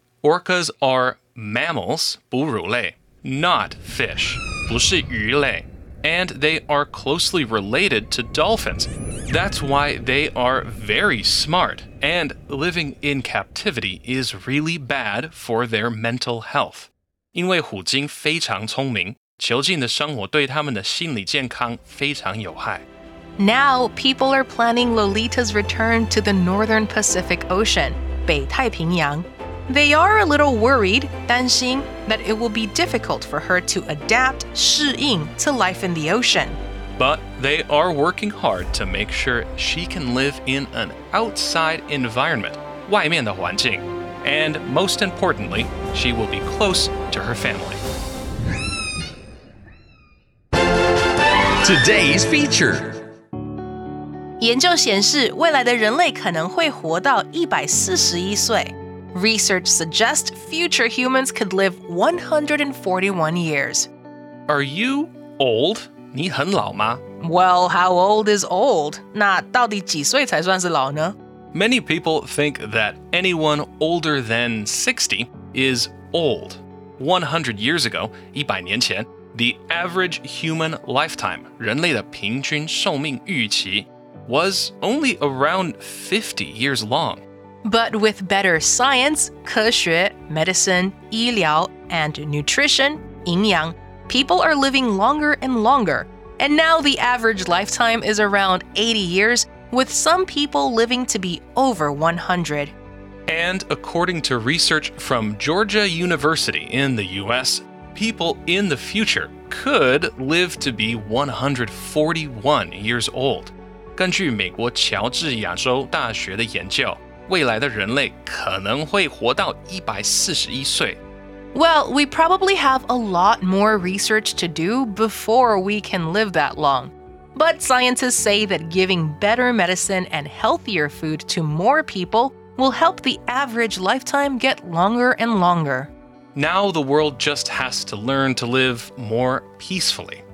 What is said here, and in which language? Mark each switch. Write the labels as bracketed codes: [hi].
[en] Orcas are mammals, 哺乳类, not fish, [zh] 不是鱼类, [en] and they are closely related to dolphins. That's why they are very smart, and living in captivity is really bad for their mental health. [zh] 因为虎鲸非常聪明,囚禁的生活对他们的心理健康非常有害。 [en] Now, people are planning Lolita's return to the northern Pacific Ocean, 北太平洋. They are a little worried, 担心, that it will be difficult for her to adapt, 适应, to life in the ocean. But they are working hard to make sure she can live in an outside environment, [zh] 外面的环境. [en] And most importantly, she will be close to her family. Today's feature. [zh] 研究显示未来的人类可能会活到141岁。 [en] Research suggests future humans could live 141 years. Are you old? [zh] 你很老吗? [en] Well, how old is old? [zh] 那到底几岁才算是老呢? [en] Many people think that anyone older than 60 is old. 100 years ago, 100年前, the average human lifetime, [zh] 人类的平均寿命预期, [en] was only around 50 years long. But with better science, 科学, medicine, 医疗, and nutrition, 营养, people are living longer and longer. And now the average lifetime is around 80 years,with some people living to be over 100. And according to research from Georgia University in the US, people in the future could live to be 141 years old. [zh] 根据美国乔治亚州大学的研究，未来的人类可能会活到141岁。 [en] Well, we probably have a lot more research to do before we can live that long. But scientists say that giving better medicine and healthier food to more people will help the average lifetime get longer and longer. Now the world just has to learn to live more peacefully.